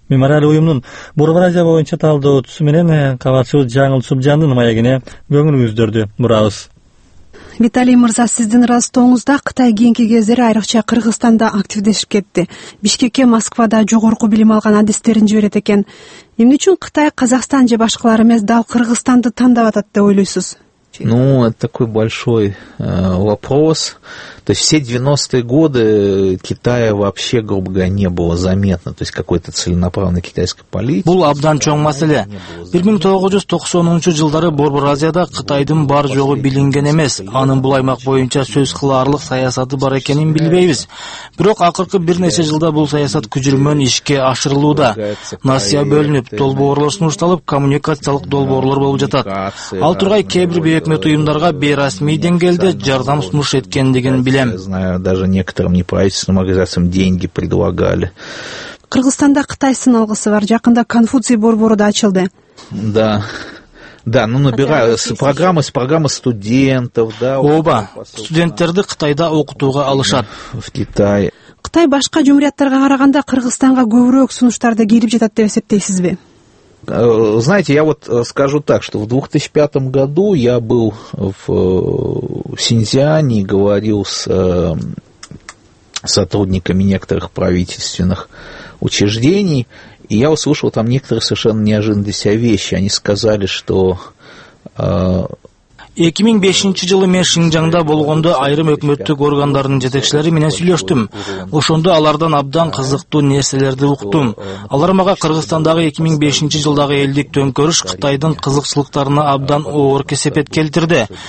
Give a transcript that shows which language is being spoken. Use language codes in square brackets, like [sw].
[ky] Мемориал уюмунун Борбор Азия боюнча талдоочусу менен кабарчыбыз Жаңыл Субжандын маегине көңүл күздөрдү. Мурабыз. Виталий Мырза, сиздин растооңузда Кытай кийинки кездери айрыкча Кыргызстанда активдешип кетти. Бишкекке Москвада жогорку билим алган адистерин жиберет экен. Эмне үчүн Кытай, Казакстан же башкалар эмес дал Кыргызстанды тандап атат деп ойлойсуз? [ru] Ну, это такой большой вопрос. То есть все 90-е годы Китая вообще, грубо говоря, не было заметно. То есть какой-то целенаправленной китайской политики. [ky] Бул абдан чоң маселе. 1990-жылдары Борбор Азияда Кытайдын бар жогу билинген эмес. Анын бул аймак боюнча сөз кылаарлык саясаты бар экенин билбейбиз. Бирок акыркы бир нече жылда бул саясат күжүрмөн ишке ашырылууда. Насия бөлүнүп, долбоорлор сунушталып, коммуникациялык долбоорлор болуп жатат. Ал тургай кээ бир өкмөт уюмдарга бейрасмий деңгээлде жардам сунуш эткендигин билем. [ru] Знаю, даже некоторым неправительственным организациям деньги предлагали. [ky] Кыргызстанда Кытай сыналгысы бар, жакында Конфуций борбору да ачылды. [ru] Да. Да, ну набираю программы студентов, да. Оба. [ky] Студенттерди Кытайда окутууга алышат. [ru] В Китае. [ky] Кытай башка жумуриятттарга караганда Кыргызстанга көбүрөөк сунуштарды келип жатат деп эсептейсизби? [ru] Знаете, я вот скажу так, что в 2005 году я был в Синьцзяне и говорил с сотрудниками некоторых правительственных учреждений, и я услышал там некоторые совершенно неожиданные для себя вещи. Они сказали, что... [ky] 2005 жылы мен Шинжаңда болгондо айрым өкмөттүк органдардын жетекчилери менен сүйлөштүм. Ошондо алардан абдан кызыктуу нерселерди уктум. Алар мага Кыргызстандагы 2005 жылдагы элдик төңкөрүш Кытайдын кызыкчылыктарына абдан оор кесепет келтирди.